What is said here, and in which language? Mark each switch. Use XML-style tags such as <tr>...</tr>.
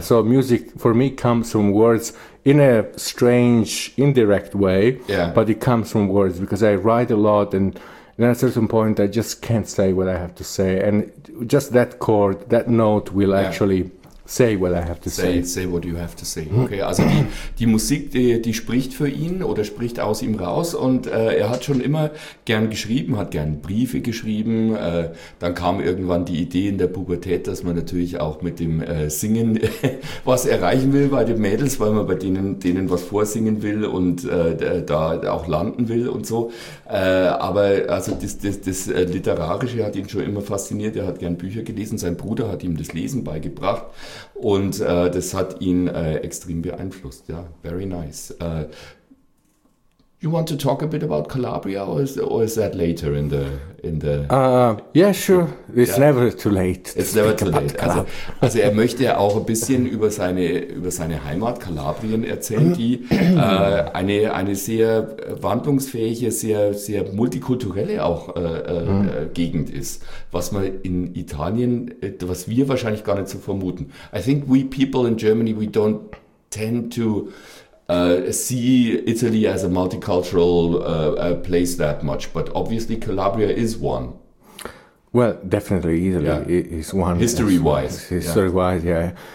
<en>So music for me comes from words in a strange indirect way, but it comes from words, because I write a lot, and then at a certain point I just can't say what I have to say, and just that chord, that note will actually say what I have to say. Say what you have to say.</en> <de>Okay, also die Musik, die spricht für ihn oder spricht aus ihm raus. Und er hat schon immer gern geschrieben, hat gern Briefe geschrieben. Dann kam irgendwann die Idee in der Pubertät, dass man natürlich auch mit dem Singen was erreichen will bei den Mädels, weil man bei denen was vorsingen will und da auch landen will und so. Aber also das Literarische hat ihn schon immer fasziniert. Er hat gern Bücher gelesen. Sein Bruder hat ihm das Lesen beigebracht. Und das hat ihn extrem beeinflusst.</de> <en>Yeah, very nice. You want to talk a bit about Calabria, or is that later in the? Yeah, sure. It's never too late. It's never too late.</en> <de>Also er möchte ja auch ein bisschen über seine Heimat Kalabrien erzählen, die eine sehr wandlungsfähige, sehr sehr multikulturelle auch Gegend ist, was man in Italien, was wir wahrscheinlich gar nicht so vermuten.</de> <en>I think we people in Germany, we don't tend to see Italy as a multicultural place that much, but obviously Calabria is one. Well, definitely Italy is one. History-wise. History-wise, yeah.</en>